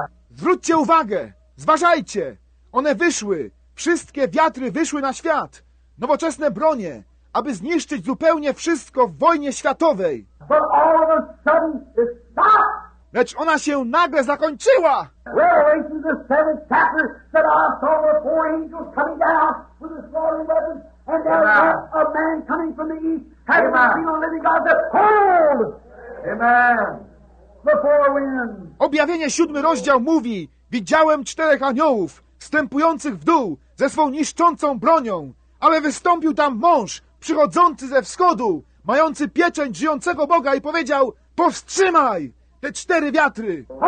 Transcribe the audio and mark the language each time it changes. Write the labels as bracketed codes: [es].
[pl] Zwróćcie uwagę, zważajcie. One wyszły, wszystkie wiatry wyszły na świat. Nowoczesne bronie, aby zniszczyć zupełnie wszystko w wojnie światowej. [en] But all of a sudden it stopped. [pl] Lecz ona się nagle zakończyła. [en] Revelation the seventh chapter said I saw the four angels coming down with the slaughter weapons and there was a man coming from the east having a seal of living God that pulled. Amen. The four winds. [pl] Objawienie 7 rozdział mówi: widziałem czterech aniołów wstępujących w dół ze swą niszczącą bronią, ale wystąpił tam mąż przychodzący ze wschodu, mający pieczęć żyjącego Boga i powiedział: powstrzymaj te cztery wiatry.